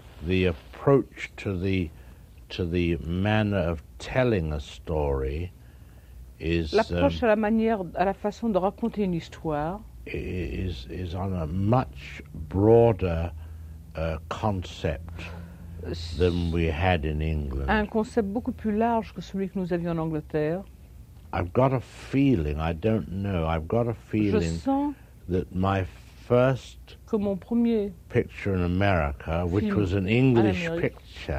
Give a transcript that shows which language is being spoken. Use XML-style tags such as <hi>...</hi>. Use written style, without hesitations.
<en>the approach to the manner of telling a story.</en> <fr>L'approche à la manière, à la façon de raconter une histoire</fr> <en>is on a much broader concept than we had in England.</en> <fr>Un concept beaucoup plus large que celui que nous avions en Angleterre.</fr> <en>I've got a feeling, I don't know, I've got a feeling</en> <fr>Je sens</fr> <en>that my first</en> <fr>que mon premier</fr> <en>picture in America, which was an English picture,</en>